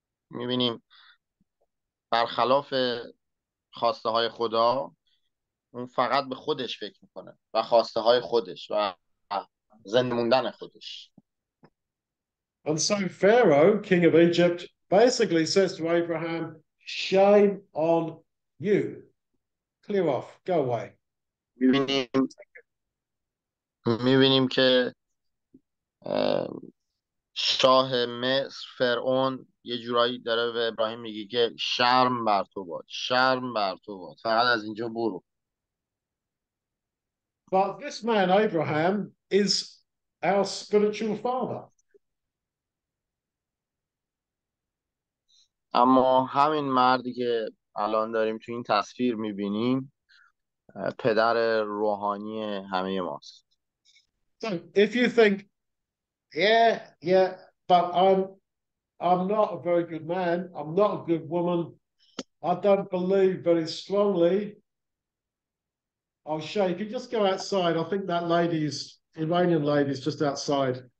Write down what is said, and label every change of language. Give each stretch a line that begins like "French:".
Persian: می‌بینیم برخلاف خواسته های خدا اون فقط به خودش فکر میکنه و خواسته های خودش و زنده موندن خودش.
English: And so Pharaoh, king of Egypt, basically says to Abraham, shame on you. Clear off. Go away.
Persian: می‌بینیم که شاه مصر فرعون یه جورایی داره به ابراهیم میگه که شرم بر تو باد، شرم بر تو باد، فقط از اینجا برو.
English: But this man Abraham is our spiritual father.
Persian: اما همین مردی که الان داریم تو این تصویر میبینیم پدر روحانی همه ماست.
English: So if you think, yeah, but I'm not a very good man. I'm not a good woman. I don't believe very strongly. I'll shake. You just go outside. I think that lady's Iranian lady's just outside.